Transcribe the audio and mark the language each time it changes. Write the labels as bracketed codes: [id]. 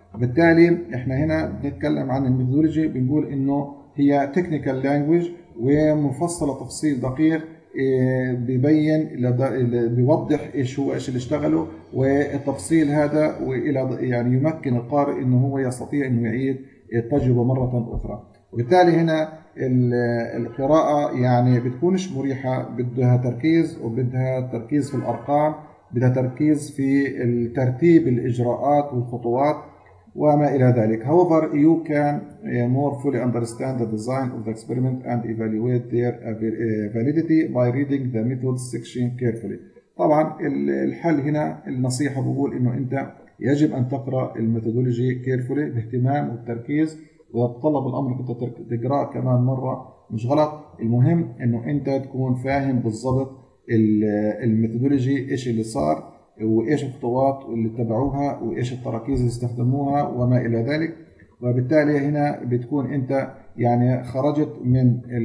[ar] بالتالي احنا هنا بنتكلم عن الميثودولوجي، بنقول انه هي technical language ومفصلة تفصيل دقيق بيبين بيوضح ايش هو ايش اللي اشتغله، والتفصيل هذا والى يعني يمكن القارئ انه هو يستطيع انه يعيد التجربة مرة اخرى. وبالتالي هنا القراءة يعني بتكونش مريحة، بدها تركيز، وبدها تركيز في الأرقام، بدها تركيز في الترتيب الإجراءات والخطوات وما إلى ذلك. [en] However, you can more fully understand the design of the experiment and evaluate their validity by reading the methods section carefully. [ar] طبعا الحل هنا النصيحة بقول إنه أنت يجب أن تقرأ الميثودولوجي carefully باهتمام والتركيز، وتطلب الأمر أنت تقرأ كمان مرة مش غلط. المهم إنه أنت تكون فاهم بالضبط الميثودولوجي إيش اللي صار وإيش الخطوات اللي تبعوها وإيش التراكيز اللي استخدموها وما إلى ذلك، وبالتالي هنا بتكون أنت يعني خرجت من